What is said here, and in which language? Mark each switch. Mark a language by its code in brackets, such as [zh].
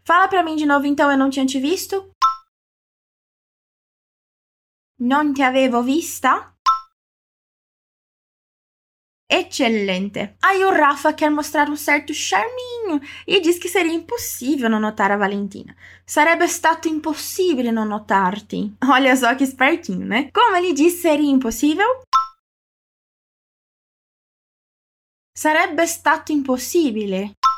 [pt] Fala pra mim de novo, então, eu não tinha te visto? [it] Non ti avevo vista? [pt] Excelente! Aí o Rafa quer mostrar um certo charminho e diz que seria impossível não notar a Valentina. [it] Sarebbe stato impossibile non notarti. [pt] Olha só que espertinho, né? Como ele diz seria impossível? [it] Sarebbe stato impossibile.